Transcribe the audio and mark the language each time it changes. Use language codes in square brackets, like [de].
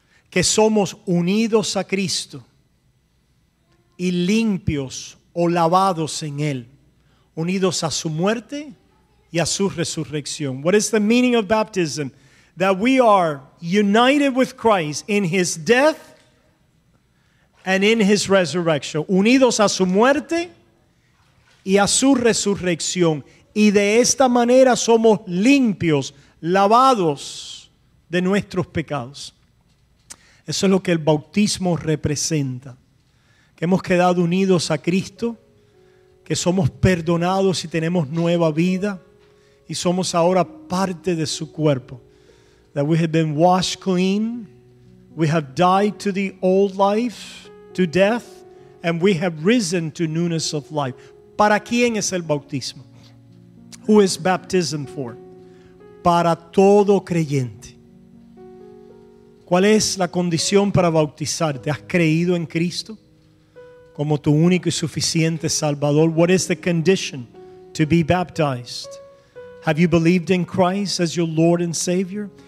[es] Que somos unidos a Cristo y limpios o lavados en Él. Unidos a su muerte y a su resurrección. [en] What is the meaning of baptism? That we are united with Christ in his death and in his resurrection. [es] Unidos a su muerte y a su resurrección. Y de esta manera somos limpios, lavados de nuestros pecados. Eso es lo que el bautismo representa. Que hemos quedado unidos a Cristo, que somos perdonados y tenemos nueva vida y somos ahora parte de su cuerpo. [en] That we have been washed clean We have died to the old life, to death, and we have risen to newness of life. [es] ¿Para quién es el bautismo? [en] Who is baptism for? [es] Para todo creyente. ¿Cuál es la condición para bautizarte? ¿Has creído en Cristo como tu único y suficiente Salvador? [en] What is the condition to be baptized? Have you believed in Christ as your Lord and Savior?